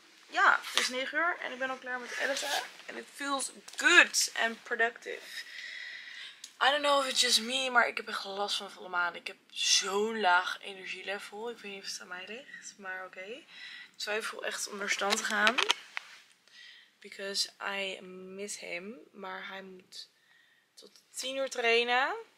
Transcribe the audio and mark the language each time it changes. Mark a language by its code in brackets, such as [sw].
[nl] Ja, het is 9:00 en ik ben al klaar met editen. [en] And it feels good and productive. I don't know if it's just me, [nl] maar ik heb echt last van volle maan. Ik heb zo'n laag energielevel. Ik weet niet of het aan mij ligt, maar oké. Okay. Ik twijfel echt om naar stand te gaan. [en] Because I miss him. [nl] Maar hij moet tot 10:00 trainen.